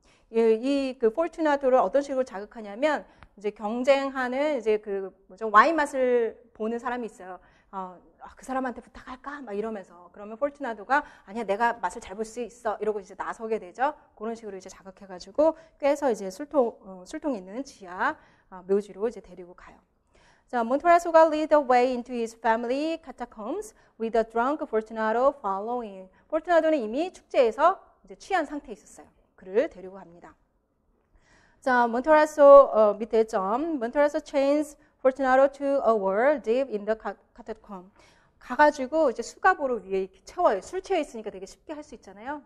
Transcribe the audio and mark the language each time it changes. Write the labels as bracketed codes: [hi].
[ko] 이 Fortunato를 어떤 식으로 자극하냐면 이제 경쟁하는 이제 그 뭐죠? 와인 맛을 보는 사람이 있어요. 그 사람한테 부탁할까? 막 이러면서. 그러면 포르투나도가 아니야, 내가 맛을 잘 볼 수 있어. 이러고 이제 나서게 되죠. 그런 식으로 이제 자극해가지고 꿰서 이제 술통 있는 지하 묘지로 이제 데리고 가요. [en] 자, Montorazzo가 lead the way into his family catacombs with a drunk Fortunato following. [ko] 포르투나도는 이미 축제에서 이제 취한 상태에 있었어요. 그를 데리고 갑니다. 자, Montorazzo 밑에 점. [en] Montorazzo chains Fortunato to a wall deep in the catacomb. [ko] 가가지고 이제 수갑으로 위에 이렇게 채워요. 술 취해 있으니까 되게 쉽게 할수 있잖아요.